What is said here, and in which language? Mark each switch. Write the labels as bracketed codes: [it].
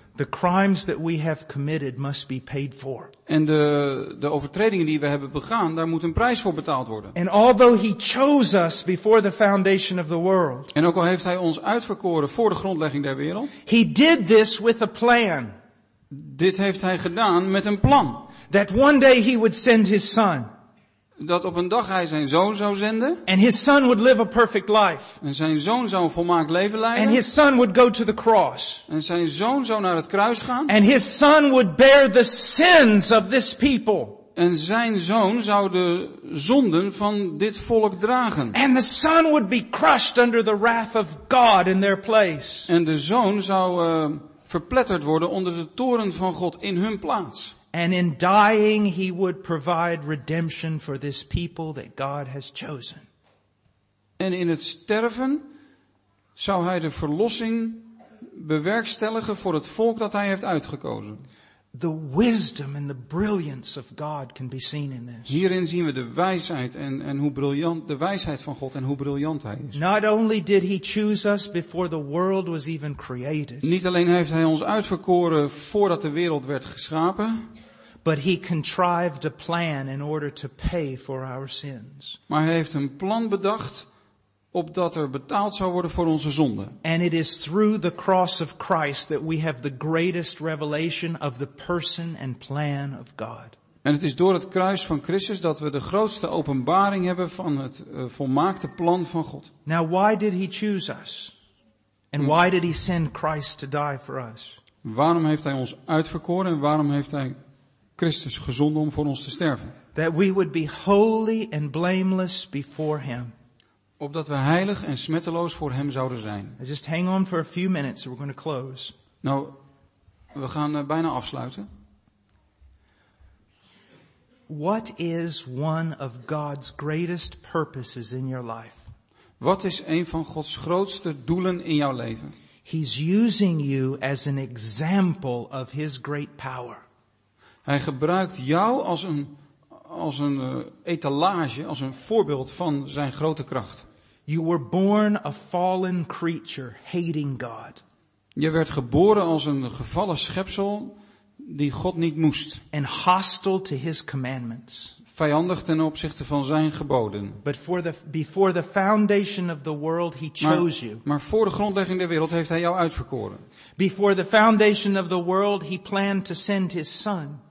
[en] The crimes that we have committed must be paid for. [nl] En de overtredingen die we hebben begaan, daar moet een prijs voor betaald worden. [en] And although he chose us before the foundation of the world. [nl] En ook al heeft hij ons uitverkoren voor de grondlegging der wereld. [en] He did this with a plan. [nl] Dit heeft hij gedaan met een plan. [en] That one day he would send his son. [nl] Dat op een dag hij zijn zoon zou zenden. [en] And his son would live a perfect life. [nl] En zijn zoon zou een volmaakt leven leiden. [en] And his son would go to the cross. [nl] En zijn zoon zou naar het kruis gaan. [en] And his son would bear the sins of this people. [nl] En zijn zoon zou de zonden van dit volk dragen. [en] And the son would be crushed under the wrath of God in their place. [nl] En de zoon zou verpletterd worden onder de toren van God in hun plaats. [en] And in dying, he would provide redemption for this people that God has chosen. [nl] En in het sterven zou hij de verlossing bewerkstelligen voor het volk dat hij heeft uitgekozen. [en] The wisdom and the brilliance of God can be seen in this. [nl] Hierin zien we de wijsheid en hoe briljant de wijsheid van God en hoe briljant hij is. [en] Not only did he choose us before the world was even created. [nl] Niet alleen heeft hij ons uitverkoren voordat de wereld werd geschapen, [en] but he contrived a plan in order to pay for our sins. [nl] Maar hij heeft een plan bedacht opdat er betaald zou worden voor onze zonden. [en] And it is through the cross of Christ that we have the greatest revelation of the person and plan of God. [nl] En het is door het kruis van Christus dat we de grootste openbaring hebben van het volmaakte plan van God. [en] Now why did he choose us? And why did he send Christ to die for us? [nl] Waarom heeft hij ons uitverkoren en waarom heeft hij Christus gezonden om voor ons te sterven? [en] That we would be holy and blameless before him. [nl] Opdat we heilig en smetteloos voor hem zouden zijn. [en] Just hang on for a few minutes, we're going to close. [nl] Nou, we gaan bijna afsluiten. [en] What is one of God's greatest purposes in your life? [nl] Wat is een van Gods grootste doelen in jouw leven? [en] He's using you as an example of his great power. [nl] Hij gebruikt jou als een etalage, als een voorbeeld van zijn grote kracht. [en] You were born a fallen creature, hating God. [nl] Je werd geboren als een gevallen schepsel die God niet moest. [en] And hostile to his commandments. [nl] Vijandig ten opzichte van zijn geboden. [en] But for the, before the foundation of the world, he chose you. [nl] Maar voor de grondlegging der wereld heeft hij jou uitverkoren. [en] Before the foundation of the world, he planned to send his son.